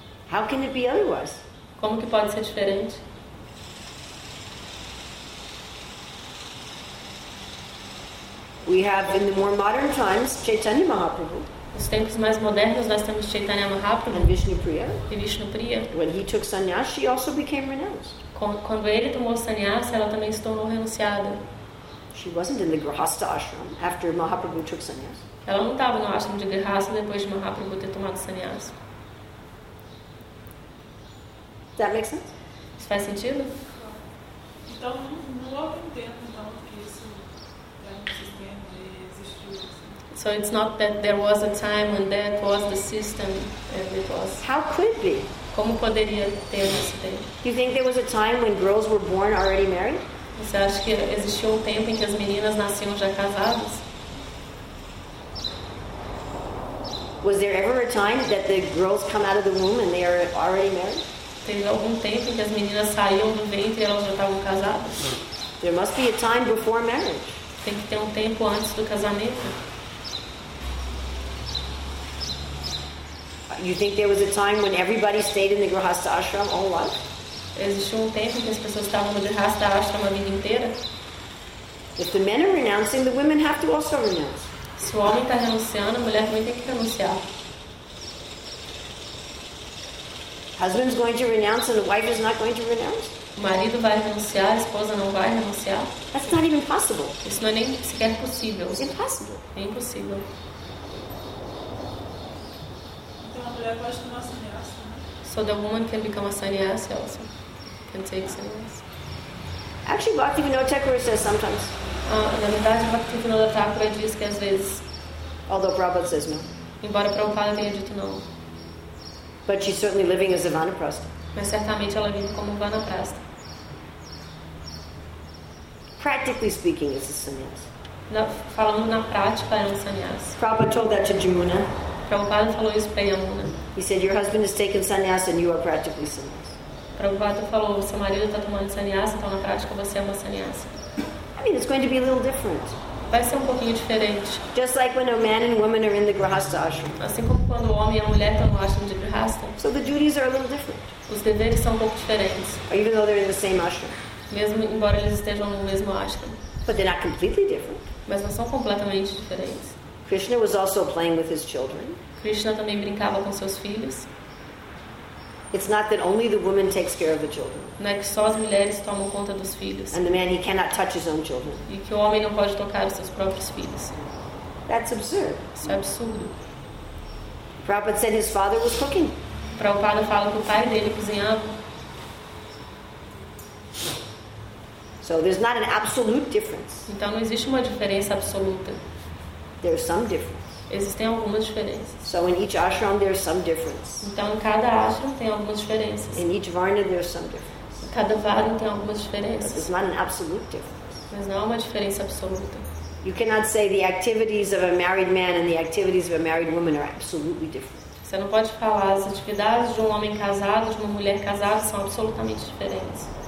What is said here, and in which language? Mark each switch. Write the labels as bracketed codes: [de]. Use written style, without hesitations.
[en] How can it be otherwise? [pt] Como que pode ser diferente? [en] We have in the more modern times Chaitanya Mahaprabhu. [pt] Nos tempos mais modernos nós temos Chaitanya Mahaprabhu [en] and Vishnupriya. [pt] E Vishnupriya. [en] When he took sannyas, she also became renounced. [pt] Quando ele tomou sannyas, ela também se tornou renunciada. [en] She wasn't in the grihastha ashram after Mahaprabhu took sannyas. [pt] Ela não estava no ashram de grihastha depois de Mahaprabhu ter tomado sannyas. [en] That makes sense? [pt] Isso faz sentido? Então, não houve um tempo então que isso existiu. [en] So it's not that there was a time when that was the system and it was. How could be? [pt] Como poderia ter esse tempo? [en] You think there was a time when girls were born already married? [pt] Você acha que existiu um tempo em que as meninas nasciam já casadas? [en] Was there ever a time that the girls come out of the womb and they are already married? [pt] Teve algum tempo em que as meninas saíam do ventre e elas já estavam casadas? [en] There must be a time before marriage. [pt] Tem que ter um tempo antes do casamento. [en] You think there was a time when everybody stayed in the grihastha ashram all life? [pt] Existiu um tempo em que as pessoas estavam no grihastha ashram a vida inteira? [en] If the men are renouncing, the women have to also renounce. [pt] Se o homem está renunciando, a mulher também tem que renunciar. [en] Husband's going to renounce and the wife is not going to renounce? [pt] O marido vai renunciar, a esposa não vai renunciar? [en] That's not even possible. [pt] Isso não é nem sequer possível. [en] It's impossible. [pt] É impossível. Então a mulher pode tomar sannyas, né? [en] So the woman can become a sannyas also. Can take sannyas. Actually, Bhaktivinoda Thakura says sometimes. [pt] Na verdade, Bhaktivinoda Thakura diz que às vezes. [en] Although Prabhupada says no. [pt] Embora Prabhupada tenha dito não. [en] But she's certainly living as a vanaprastha. [pt] Mas certamente ela vive como vanaprastha. [en] Practically speaking, it's a sannyas. [pt] Falando na prática, é um sannyas. [en] Prabhupada told that to Jamuna. [pt] Prabhupada falou isso para Yamuna. [en] He said, "Your husband has taken sannyas, and you are practically sannyas." [pt] Prabhupada falou, "Seu marido está tomando sannyas, então na prática você é uma sannyas." [en] I mean, it's going to be a little different. [pt] Vai ser um pouquinho diferente. [en] Just like when a man and woman are in the grihastha ashram. [pt] Assim como quando o homem e a mulher estão no ashram de grihastha. [en] So the duties are a little different. [pt] Os deveres são um pouco diferentes. [en] Or even though they're in the same ashram. [pt] Mesmo embora eles estejam no mesmo ashram. [en] But they're not completely different. [pt] Mas não são completamente diferentes. [en] Krishna was also playing with his children. [pt] Krishna também brincava com seus filhos. [en] It's not that only the woman takes care of the children. [pt] Não é que só as mulheres tomam conta dos filhos. [en] And the man, he cannot touch his own children. [pt] E que o homem não pode tocar os seus próprios filhos. [en] That's absurd. [pt] Isso é absurdo. [en] Prabhupada said his father was cooking. [pt] Prabhupada fala que o pai dele cozinhava. [en] So there's not an absolute difference. [pt] Então não existe uma diferença absoluta. [en] There are some differences. [pt] Existem algumas diferenças. [en] So in each ashram there are some differences. [pt] Então em cada ashram tem algumas diferenças. [en] In each varna there are some differences. [pt] Em cada varna tem algumas diferenças. [en] But it's not an absolute difference. [pt] Mas não é uma diferença absoluta. [en] You cannot say the activities of a married man and the activities of a married woman are absolutely different. [pt] Você não pode falar as atividades de um homem casado de uma mulher casada são absolutamente diferentes.